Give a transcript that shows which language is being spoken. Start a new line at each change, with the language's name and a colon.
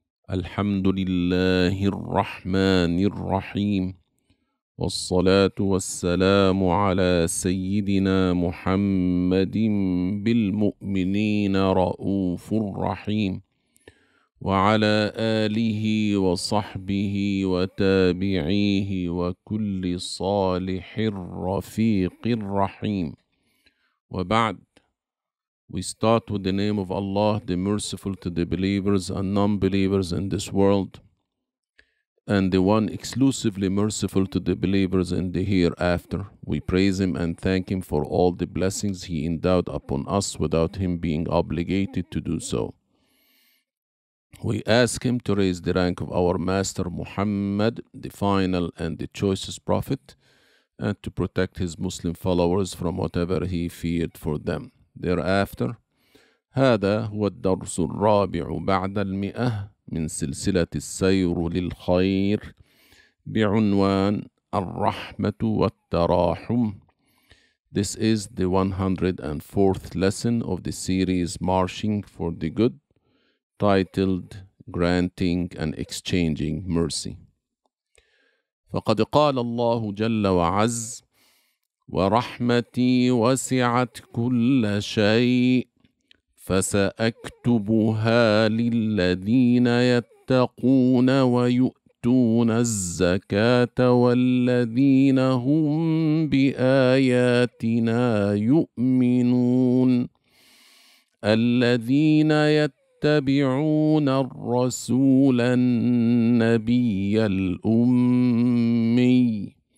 Arabic: الحمد لله الرحمن الرحيم، والصلاة والسلام على سيدنا محمد بالمؤمنين رؤوف رحيم، وعلى آله وصحبه وتابعيه وكل صالح رفيق رحيم. وبعد،
English: we start with the name of Allah, the merciful to the believers and non-believers in this world, and the one exclusively merciful to the believers in the hereafter. We praise him and thank him for all the blessings he endowed upon us without him being obligated to do so. We ask him to raise the rank of our master Muhammad, the final and the choicest prophet, and to protect his Muslim followers from whatever he feared for them. Thereafter,
Arabic: هذا هو الدرس الرابع بعد المئة من سلسلة السير للخير بعنوان الرحمة والتراحم.
English: This is the 104th lesson of the series Marching for the Good, titled Granting and Exchanging Mercy.
Arabic: فقد قال الله جل وعز ورحمتي وسعت كل شيء فسأكتبها للذين يتقون ويؤتون الزكاة والذين هم بآياتنا يؤمنون الذين يتبعون الرسول النبي الأمي.